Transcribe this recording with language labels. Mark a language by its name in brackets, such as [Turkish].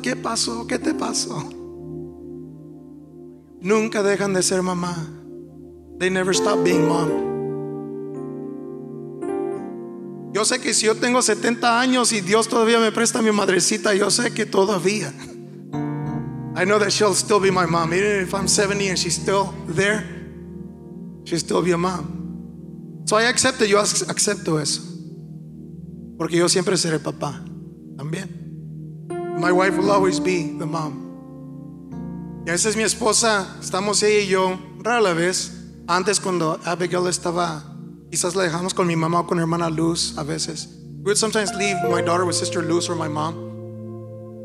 [Spanish] ¿Qué pasó? ¿Qué te pasó? Nunca dejan de ser mamá. [English] They never stop being mom. [Spanish] Yo sé que si yo tengo 70 años y Dios todavía me presta mi madrecita, yo sé que todavía. [English] I know that she'll still be my mom. Even if I'm 70 and she's still there, she'll still be a mom. So I accept it. [Spanish] Yo acepto eso. Porque yo siempre seré papá. También. [English] My wife will always be the mom. [Spanish] Y a veces mi esposa, estamos ella y yo, rara la vez, Antes cuando Abigail estaba, quizás la dejamos con mi mamá o con hermana Luz a veces. [English] We would sometimes leave my daughter with sister Luz or my mom.